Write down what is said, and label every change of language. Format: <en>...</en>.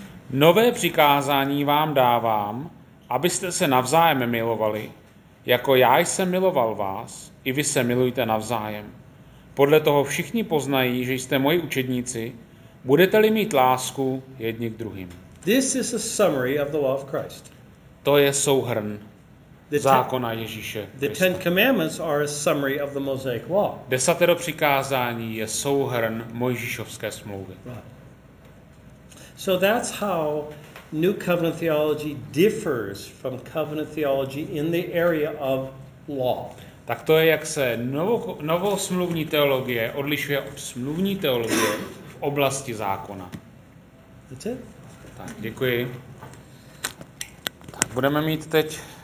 <cs>Nové přikázání vám dávám, abyste se navzájem milovali, jako já jsem miloval vás, i vy se milujte navzájem. Podle toho všichni poznají, že jste moji učedníci, budete-li mít lásku jedni k druhým.</cs> <en>This is a summary of the law of Christ.</en> <cs>To je souhrn zákona Ježíše Krista.</cs> <en>The Ten Commandments are a summary of the Mosaic law.</en> <cs>Desatero přikázání je souhrn Mojžíšovské smlouvy.</cs> <en>So that's how New Covenant theology differs from Covenant theology in the area of law.</en> <cs>Tak to je, jak se novosmluvní teologie odlišuje od smluvní teologie v oblasti zákona.</cs> <en>That's it.</en> <cs>Tak, děkuji. Tak budeme mít teď</cs>